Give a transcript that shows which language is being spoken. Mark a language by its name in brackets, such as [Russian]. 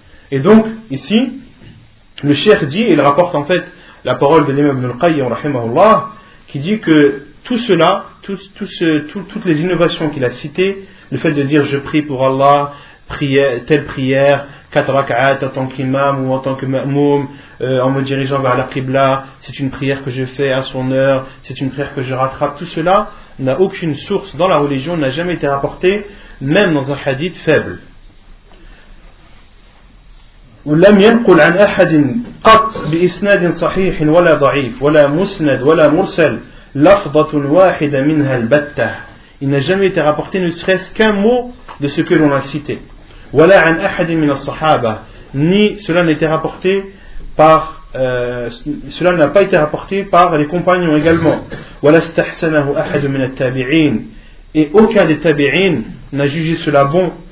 [French] Et donc, ici, le cheikh dit, il rapporte en fait la parole de l'imam ibn al-Qayyim, rahimahullah, qui dit que tout cela, toutes les innovations qu'il a citées, le fait de dire je prie pour Allah, telle prière, 4 raka'at en tant qu'imam ou en tant que ma'moum, en me dirigeant vers la qibla, c'est une prière que je fais à son heure, c'est une prière que je rattrape, tout cela n'a aucune source dans la religion, n'a jamais été rapporté, même dans un hadith faible. [Arabic] ولم ينقل عن أحد قط بإسناد صحيح ولا ضعيف ولا مسند ولا مرسل لفظة واحدة منها البتة. [French] Il n'a jamais été rapporté ne serait-ce qu'un mot de ce que l'on a cité. [Arabic] Wala an ahad min as-sahaba, [French] ni cela n'a été rapporté par cela n'a pas été rapporté par les compagnons également. [Arabic] Wala istahsanahu ahad min at-tabi'in, [French] et aucun des tabi'in n'a jugé cela bon.